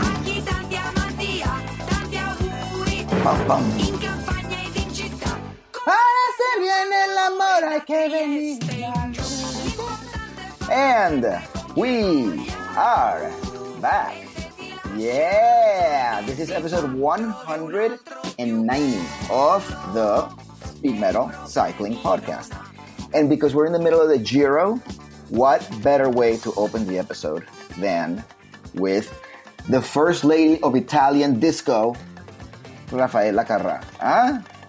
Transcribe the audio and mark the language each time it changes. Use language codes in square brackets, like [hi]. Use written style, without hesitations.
[it] A chi tanti amanti ha, tanti auguri. Bam, bam. In campagna ed in città. [es] Ay, hacer bien el amor, hay que venir al sur. [en] And we are back. Yeah, this is episode 190 of the Speed Metal Cycling Podcast. And because we're in the middle of the Giro, what better way to open the episode than with the first lady of Italian disco, Raffaella Carrà? Huh?